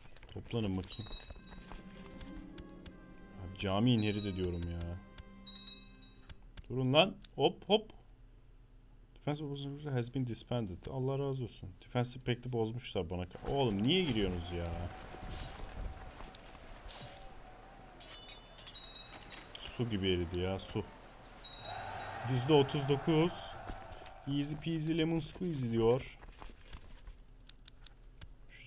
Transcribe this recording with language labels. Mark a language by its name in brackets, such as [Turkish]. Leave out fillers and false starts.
[Turkish] Toplanın bakayım. Abi cami ineri de diyorum ya. Durun lan. Hop hop. [English] Defensive pact has been disbanded. [Turkish] Allah razı olsun. Defensive pact'i bozmuşlar bana. Oğlum niye giriyorsunuz ya? Su gibi eridi ya su. %39. [English] Easy peasy lemon squeezy [Turkish] diyor. Şu